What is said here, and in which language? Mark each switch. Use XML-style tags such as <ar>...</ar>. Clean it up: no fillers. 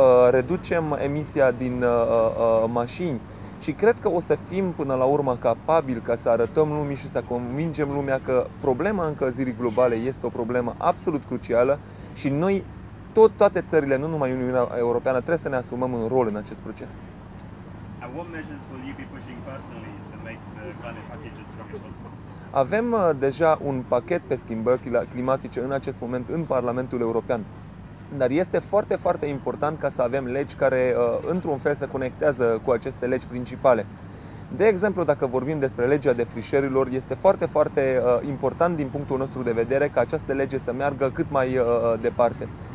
<ro>Reducem emisia din mașini și cred că o să fim până la urmă capabili ca să arătăm lumii și să convingem lumea că problema încălzirii globale este o problemă absolut crucială și noi, toate țările, nu numai Uniunea Europeană, trebuie să ne asumăm un rol în acest proces.</ro> <en>And what measures will you be pushing personally to make the climate package as strong as possible?</en> <ro>Avem deja un pachet pe schimbări climatice în acest moment în Parlamentul European. Dar este foarte, foarte important ca să avem legi care, într-un fel, se conectează cu aceste legi principale. De exemplu, dacă vorbim despre legea defrișărilor, este foarte, foarte important din punctul nostru de vedere ca această lege să meargă cât mai departe.</ro>